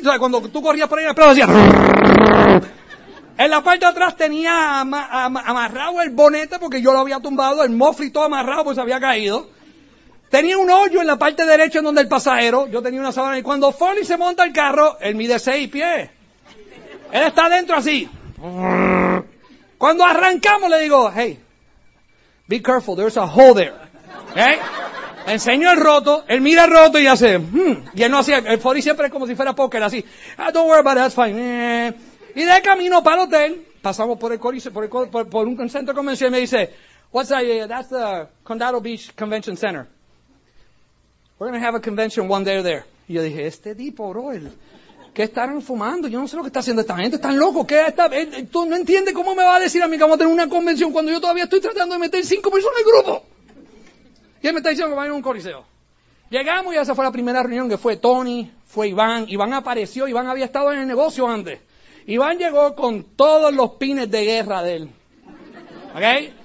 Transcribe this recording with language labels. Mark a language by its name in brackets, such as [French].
[Spanish] O sea, cuando tú corrías por ahí, el plato hacía... En la parte de atrás tenía amarrado el bonete porque yo lo había tumbado, el mofle todo amarrado porque se había caído. Tenía un hoyo en la parte derecha en donde el pasajero, yo tenía una sábana. Y cuando Foley se monta el carro, él mide 6 pies. Él está adentro así. Cuando arrancamos le digo, [English] hey, be careful, there's a hole there. [Spanish] ¿Okay? Le enseño el roto, él mira el roto y hace, Y él no hacía, el Foley siempre es como si fuera póker, así. [English] Ah, don't worry about it, that's fine. [Spanish] Y de camino para el hotel, pasamos por un centro de convención y me dice, [English] what's that? That's the Condado Beach Convention Center. We're going to have a convention one day or there. [Spanish] Y yo dije, este tipo, bro, ¿qué estarán fumando? Yo no sé lo que está haciendo esta gente, están locos. ¿Qué está? ¿Tú no entiendes cómo me va a decir a mí que vamos a tener una convención cuando yo todavía estoy tratando de meter 5 personas en el grupo? Y él me está diciendo que va a ir a un coliseo. Llegamos y esa fue la primera reunión que fue Tony, fue Iván. Iván apareció, Iván había estado en el negocio antes. Iván llegó con todos los pines de guerra de él. ¿Ok?